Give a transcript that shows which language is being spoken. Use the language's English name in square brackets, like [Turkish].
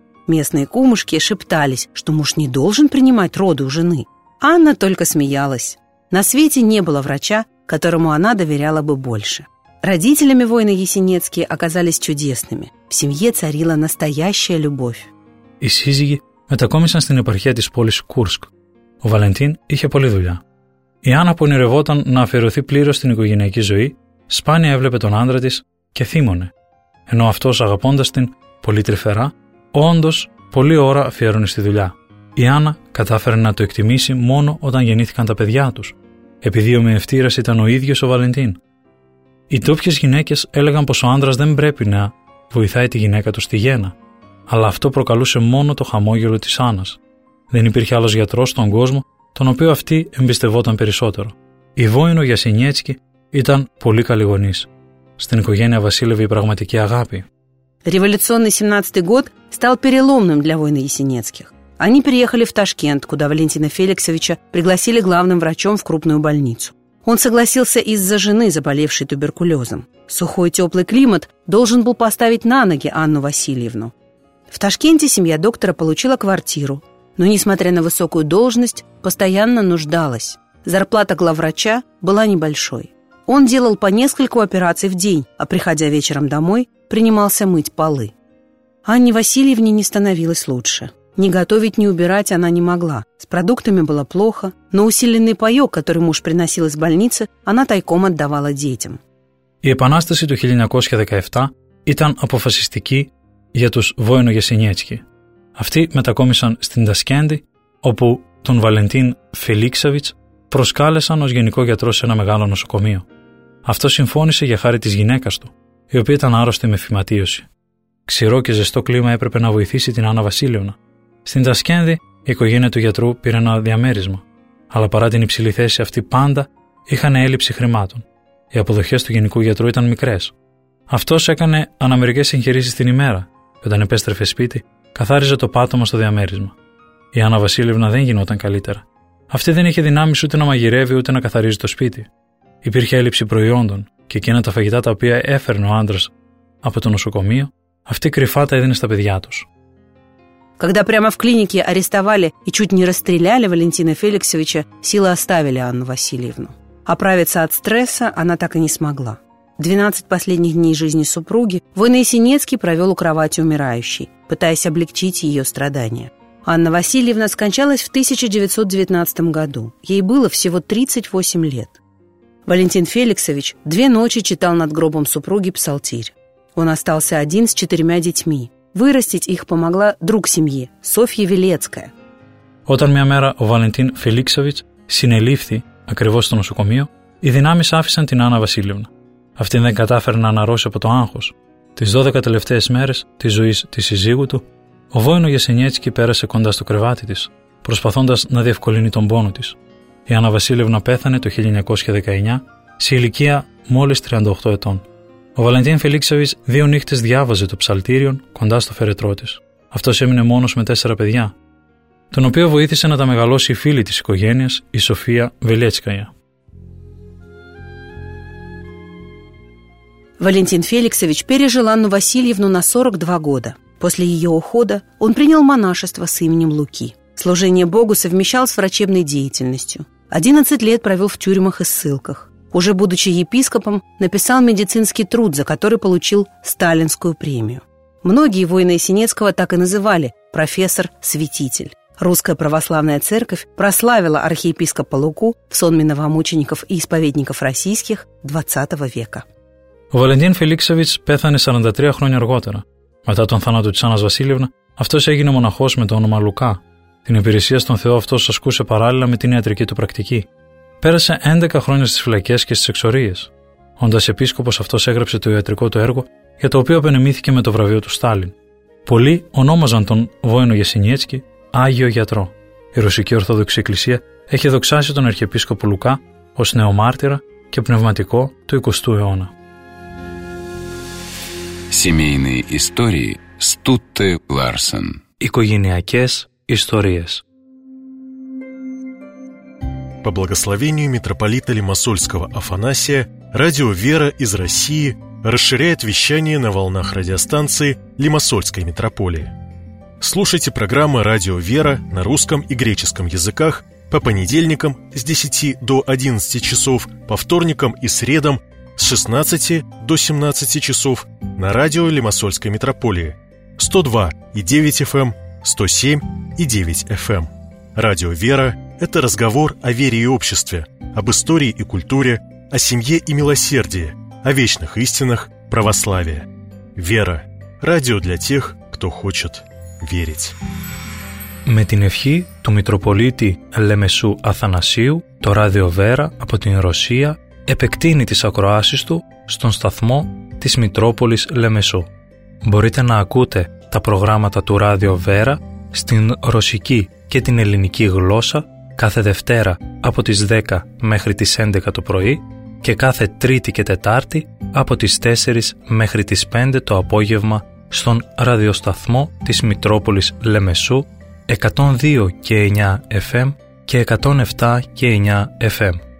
[Russian] Местные кумушки шептались, что муж не должен принимать роды у жены. Анна только смеялась. На свете не было врача, которому она доверяла бы больше. Родителями воина Ясенецкие оказались чудесными. В семье царила настоящая любовь. [Greek] И сизиги метакомисан στην επαρχία της πόλης Κούρσκ. Ο Βαλεντίν είχε πολλή δουλειά. Η Άννα που ονειρευόταν να αφιερωθεί πλήρως στην οικογενειακή ζωή, σπάνια έβλεπε τον άντρα της και θύμωνε. Ενώ αυτός αγαπώντας την πολύ τρυφερά, όντως πολλή ώρα αφιέρωνε στη δουλειά. Η Άννα κατάφερε να το εκτιμήσει μόνο όταν γεννήθηκαν τα παιδιά τους, επειδή ο μειευτήρας ήταν ο ίδιος ο Βαλεντίν. Οι ντόπιες γυναίκες έλεγαν πως ο άντρας δεν πρέπει να βοηθάει τη γυναίκα του στη γέννα, αλλά αυτό προκαλούσε μόνο το χαμόγελο της Άννας. Δεν υπήρχε άλλος γιατρός στον κόσμο, τον οποίο αυτή εμπιστευόταν περισσότερο. Η Βόινο Γιασινιέτσκι ήταν πολύ καλή γονής. Στην οικογένεια βασίλευε η πραγματική αγάπη. [Russian] Революционный 17-й год стал переломным для воина Ясенецких. Они переехали в Ташкент, куда Валентина Феликсовича пригласили главным врачом в крупную больницу. Он согласился из-за жены, заболевшей туберкулезом. Сухой теплый климат должен был поставить на ноги Анну Васильевну. В Ташкенте семья доктора получила квартиру, но, несмотря на высокую должность, постоянно нуждалась. Зарплата главврача была небольшой. Он делал по нескольку операций в день, а приходя вечером домой, принимался мыть полы. Анне Васильевне не становилось лучше. Ни готовить, ни убирать она не могла. С продуктами было плохо, но усиленный паёк, который муж приносил из больницы, она тайком отдавала детям. [Greek] Η επανάσταση του 1917 ήταν αποφασιστική για τους Βόινο Γιασινιέτσκι. Αυτοί μετακόμισαν στην Τασκέντη, όπου τον Βαλεντίν Φελίξαβιτς προσκάλεσαν ως γενικό γιατρό σε ένα μεγάλο νοσοκομείο. Αυτό συμφώνησε για χάρη της γυναίκας του, η οποία ήταν άρρωστη με φυματίωση. Ξηρό και ζεστό κλίμα έπρεπε να βοηθήσει την Άννα Βασίλειωνα. Στην Τασκένδη, η οικογένεια του γιατρού πήρε ένα διαμέρισμα. Αλλά παρά την υψηλή θέση αυτή, πάντα είχαν έλλειψη χρημάτων. Οι αποδοχές του γενικού γιατρού ήταν μικρές. Αυτός έκανε αναμερικές εγχειρήσεις την ημέρα και όταν επέστρεφε σπίτι, καθάριζε το πάτωμα στο διαμέρισμα. Η Άννα Βασίλειωνα δεν γινόταν καλύτερα. Αυτή δεν είχε δυνάμεις ούτε να μαγειρεύει ούτε να καθαρίζει το σπίτι. Υπήρχε έλλειψη προϊόντων και εκείνα τα φαγητά τα οποία έφερνε ο άντρας από το νοσοκομείο, αυτή κρυφά τα έδινε στα παιδιά τους. [Russian] Когда прямо в клинике арестовали и чуть не расстреляли Валентина Феликсовича, силы оставили Анну Васильевну. Оправиться от стресса она так и не смогла. 12 последних дней жизни супруги Войный Синецкий провел у кровати умирающей, пытаясь облегчить ее страдания. Анна Васильевна скончалась в 1919 году. Ей было всего 38 лет. Валентин Феликсович две ночи читал над гробом супруги псалтирь. Он остался один с четырьмя детьми. Вырастить их помогла друг семьи, Софья Велецкая. [Greek] Όταν μια μέρα ο Βαλεντίν Φελίξοβιτς συνελήφθη ακριβώς στο νοσοκομείο, οι δυνάμεις άφησαν την Άννα Βασίλειωνα. Αυτή δεν κατάφερε να αναρρώσει από το άγχος. Τις 12 τελευταίες μέρες της ζωής της συζύγου του, ο Βόινο Γιασενιέτσκι πέρασε κοντά στο κρεβάτι της, προσπαθώντας να διευκολύνει τον πόνο της. Η Άννα Βασίλειωνα πέθανε το 1919, σε ηλικία μόλις 38 ετών. Ο Βαλεντίν Φελίξοβιτς δύο νύχτες διάβαζε το ψαλτήριον κοντά στο φέρετρό της. Αυτός έμεινε μόνος με 4 παιδιά, τον οποίο βοήθησε να τα μεγαλώσει η φίλη της οικογένειας, η Σοφία Βελέτσκαια. [Russian] Валентин Феликсович пережил Анну Васильевну на 42 года. После ее ухода он принял монашество с именем Луки. Служение Богу совмещал с врачебной деятельностью. 11 лет провел в тюрьмах и ссылках. Уже будучи епископом, написал медицинский труд, за который получил сталинскую премию. Многие воины Синецкого так и называли «профессор-святитель». Русская православная церковь прославила архиепископа Луку в сонме новомучеников и исповедников российских 20 века. [Greek] Ο Βαλεντίν Φελίξοβιτς πέθανε 43 χρόνια αργότερα. Μετά τον θάνατο της Άννας Βασίλειωνα, αυτός έγινε μοναχός με το όνομα Λουκά. Την υπηρεσία στον Θεό αυτός ασκούσε παράλληλα με την ιατρική του πρακτική. Πέρασε 11 χρόνια στις φυλακές και στις εξορίες. Όντας επίσκοπος, αυτός έγραψε το ιατρικό του έργο, για το οποίο απενεμήθηκε με το βραβείο του Στάλιν. Πολλοί ονόμαζαν τον Βόινο Γιασενιέτσκι Άγιο Γιατρό. Η Ρωσική Ορθόδοξη Εκκλησία έχει δοξάσει τον Αρχιεπίσκοπο Λουκά ως νεομάρτυρα και πνευματικό του 20ου αιώνα. [Russian] Семейные истории Стутте Ларсен. [Greek] Οικογενειακές ιστορίες. [Russian] По благословению митрополита Лимассольского Афанасия, радио «Вера» из России расширяет вещание на волнах радиостанции Лимассольской митрополии. Слушайте программы «Радио «Вера» на русском и греческом языках по понедельникам с 10 до 11 часов, по вторникам и средам с 16 до 17 часов на радио Лимассольской митрополии 102.9 FM, 107.9 FM. Радио «Вера» – это разговор о вере и обществе, об истории и культуре, о семье и милосердии, о вечных истинах православия. «Вера» – радио для тех, кто хочет верить. [Greek] Με την ευχή του Μητροπολίτη Λεμεσού Αθανασίου, το Ράδιο Βέρα από την Ρωσία επεκτείνει τις ακροάσεις του στον σταθμό της Μητρόπολης Λεμεσού. Μπορείτε να ακούτε τα προγράμματα του Ράδιο Βέρα στην ρωσική και την ελληνική γλώσσα κάθε Δευτέρα από τις 10 μέχρι τις 11 το πρωί και κάθε Τρίτη και Τετάρτη από τις 4 μέχρι τις 5 το απόγευμα στον ραδιοσταθμό της Μητρόπολης Λεμεσού 102 και 9 FM και 107 και 9 FM.